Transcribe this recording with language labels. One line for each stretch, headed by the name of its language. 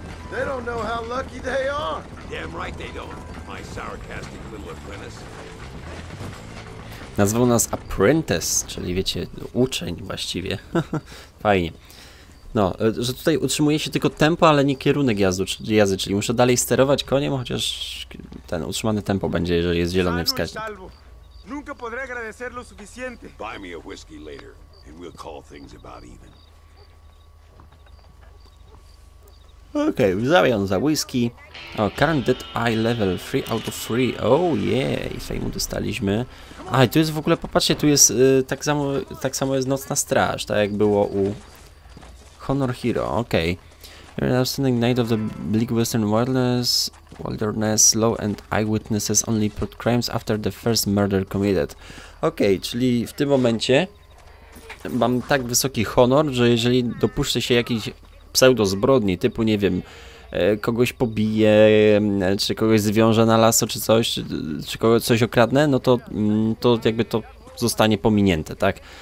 English: They don't know how lucky they are. Damn right they don't. My sarcastic little apprentice.
Polish: Nazwał nas apprentice, czyli wiecie, uczeń właściwie. Fajnie. No, że tutaj utrzymuje się tylko tempo, ale nie kierunek jazdy, czyli muszę dalej sterować koniem, chociaż ten utrzymany tempo będzie, jeżeli jest zielony wskaźnik.
Spanish: Nunca podré agradecer lo suficiente.
English: Buy me a whiskey later and we'll call things about even.
Polish: Okej, okay, w zamian za whisky. O,
English: current dead eye level 3 out of 3.
Polish: Oh yeah, fejmu dostaliśmy. A, i tu jest w ogóle, popatrzcie, tu jest tak samo jest nocna straż, tak jak było u Honor Hero. Okej. Okay.
English: You're outstanding knight of the bleak western wilderness, law and eyewitnesses only put crimes after the first murder committed.
Polish: Okej, okay, czyli w tym momencie mam tak wysoki honor, że jeżeli dopuszczę się jakiś pseudo zbrodni, typu nie wiem, kogoś pobije, czy kogoś zwiąże na lasu, czy coś, czy kogoś, coś okradnę, no to jakby to zostanie pominięte, tak?